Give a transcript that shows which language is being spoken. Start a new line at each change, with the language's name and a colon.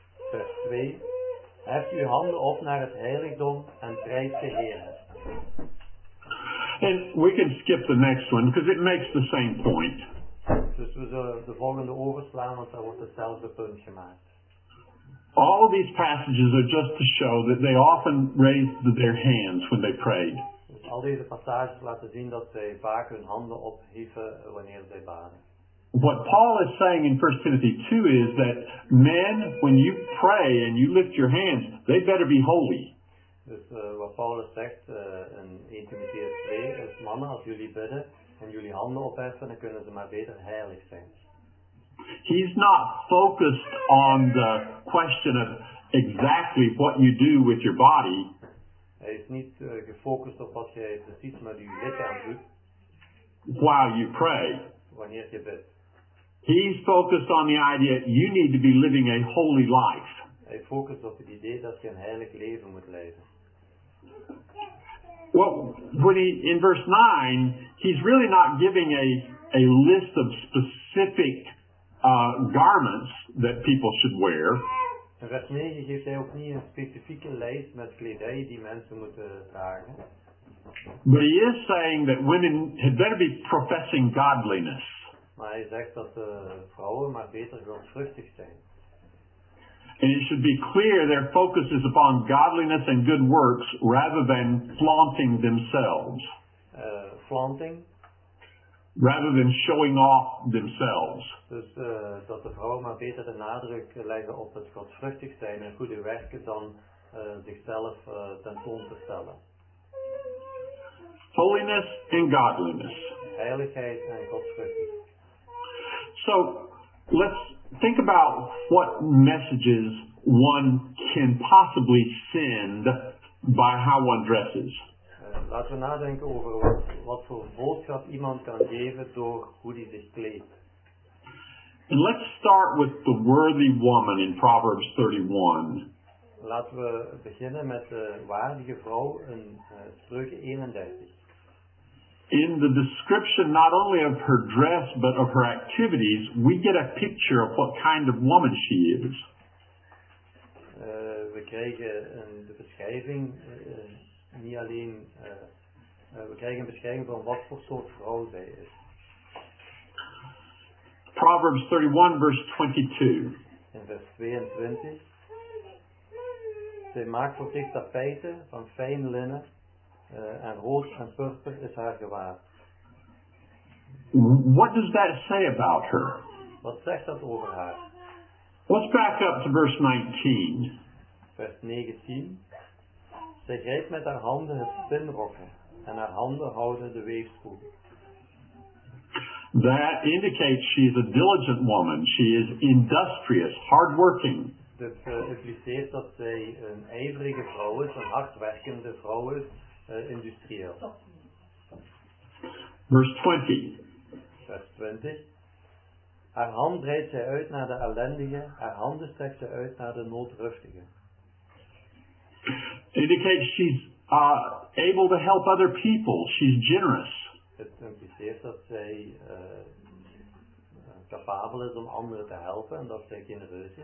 Dutch: Vers 2. Hef uw handen op naar het heiligdom en prijs de Heer.
English: And we can skip the next one because it makes the same point.
Dutch: Dus we zullen de volgende overslaan, want daar wordt hetzelfde punt gemaakt.
English: All of these passages are just to show that they often raised their hands when they prayed.
Dutch: Dus al deze passages laten zien dat zij vaak hun handen opheffen wanneer zij baden.
English: What Paul is saying in 1 Timothy 2 is that men, when you pray and you lift your hands, they better be holy.
Dutch: Dus wat Paulus zegt in 1 Timothy 2 is, mannen, als jullie bidden en jullie handen opheffen, dan kunnen ze maar beter heilig zijn.
English: He's not focused on the question of exactly what you do with your body.
Dutch: Hij is niet gefocust op wat jij precies met je lichaam doet.
English: While you pray.
Dutch: Wanneer je bidt.
English: He's focused on the idea you need to be living a holy life.
Dutch: Hij focust op het idee dat je een heilig leven moet leiden.
English: Well, when in verse 9, he's really not giving a list of specific garments that people should wear.
Dutch: In vers 9 geeft hij ook niet een specifieke lijst met kledij die mensen moeten dragen.
English: But he is saying that women had better be professing godliness.
Dutch: Maar hij zegt dat de vrouwen maar beter godvruchtig zijn.
English: And it should be clear their focus is upon godliness and good works rather than flaunting themselves. Flaunting? Rather than showing off themselves.
Dutch: Dus dat de vrouwen maar beter de nadruk leggen op het godvruchtig zijn en goede werken dan zichzelf tentoon te stellen.
English: holiness and godliness.
Dutch: Heiligheid en godsvruchtigheid.
English: So, let's think about what messages one can possibly send by how one dresses.
Dutch: Laten we nadenken over wat voor boodschap iemand kan geven door hoe hij zich kleedt.
English: And let's start with the worthy woman in Proverbs 31.
Dutch: Laten we beginnen met de waardige vrouw in Spreuken 31.
English: In the description not only of her dress but of her activities, we get a picture of what kind of woman she is.
Dutch: We krijgen in de beschrijving niet alleen we krijgen een beschrijving van wat voor soort vrouw zij is.
English: Proverbs 31, verse 22.
Dutch: In vers 22. Zij maakt voor zich tapijten van fijn linnen. En rood en purper is haar gewaad.
English: What does that say about her?
Dutch: Wat zegt dat over haar?
English: Let's back up to verse 19.
Dutch: Vers 19. Zij grijpt met haar handen het spinrokken. En haar handen houden de weefspoel.
English: That indicates she is a diligent woman. She is industrious, hardworking.
Dutch: Dit impliceert dat zij een ijverige vrouw is, een hardwerkende vrouw is, industrieel. Verse 20. Vers 20. Haar hand breidt zij uit naar de ellendige, haar handen strekt zij uit naar de noodruftige.
English: Indicates she's able to help other people. She's generous.
Dutch: Het impliceert dat zij capabel is om anderen te helpen en dat zij genereus is.